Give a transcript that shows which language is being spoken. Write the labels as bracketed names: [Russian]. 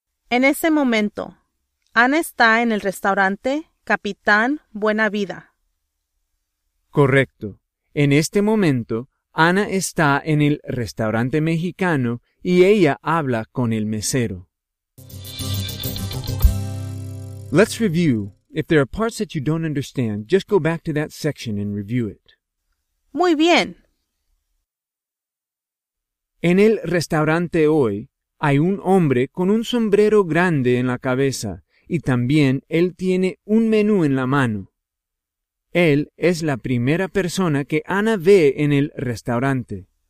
[Spanish] En ese momento, Ana está en el restaurante Capitán Buena Vida. Correcto. En este momento, Ana está en el restaurante mexicano y ella habla con el mesero. [English] Let's review. If there are parts that you don't understand, just go back to that section and review it. [Spanish] Muy bien. En el restaurante hoy, hay un hombre con un sombrero grande en la cabeza y también él tiene un menú en la mano. Él es la primera persona que Ana ve en el restaurante.